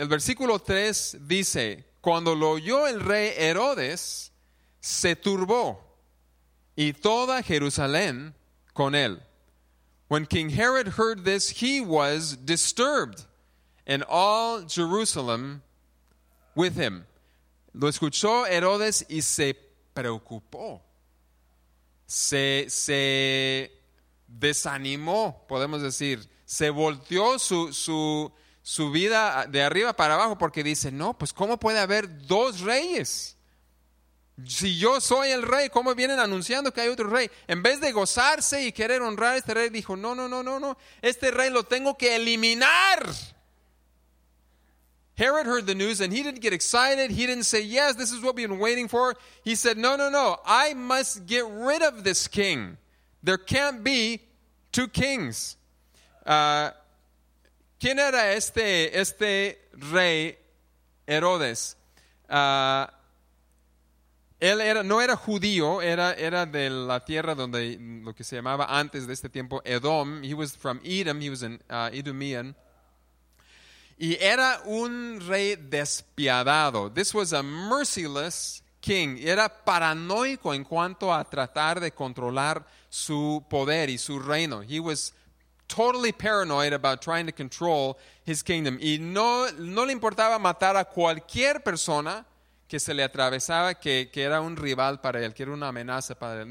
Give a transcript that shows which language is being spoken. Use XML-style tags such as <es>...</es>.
<es>El versículo 3 dice, cuando lo oyó el rey Herodes, se turbó, y toda Jerusalén con él.</es> <en>When King Herod heard this, he was disturbed, and all Jerusalem with him.</en> <es>Lo escuchó Herodes y se preocupó. Se desanimó, podemos decir. Se volteó su vida de arriba para abajo porque dice, no, pues ¿cómo puede haber dos reyes? Si yo soy el rey, ¿cómo vienen anunciando que hay otro rey? En vez de gozarse y querer honrar a este rey, dijo, no, este rey lo tengo que eliminar.</es> <en>Herod heard the news and he didn't get excited. He didn't say, yes, this is what we've been waiting for. He said, no, I must get rid of this king. There can't be two kings.</en> <es>¿Quién era este rey Herodes? Él era, no era judío, era de la tierra donde lo que se llamaba antes de este tiempo Edom.</es> <en>He was from Edom, he was an Edomian.</en> <es>Y era un rey despiadado.</es> <en>This was a merciless king.</en> <es>Era paranoico en cuanto a tratar de controlar su poder y su reino.</es> <en>He was totally paranoid about trying to control his kingdom.</en> <es>Y no le importaba matar a cualquier persona que se le atravesaba, que era un rival para él, que era una amenaza para él.</es>